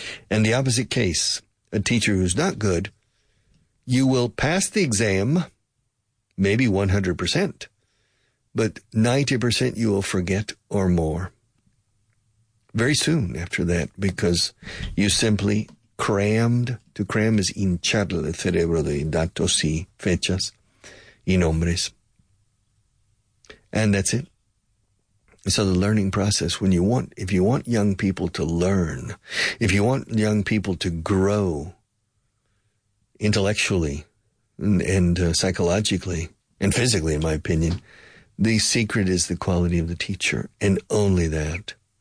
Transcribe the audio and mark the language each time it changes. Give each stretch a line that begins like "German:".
English: And the opposite case, a teacher who's not good, you will pass the exam, maybe 100%, but 90% you will forget or more very soon after that, because you simply crammed.
Spanish: To cram is hinchar el cerebro de datos y fechas y nombres.
English: And that's it. So the learning process, if you want young people to learn, if you want young people to grow intellectually and psychologically and physically, in my opinion, the secret is the quality of the teacher, and only that.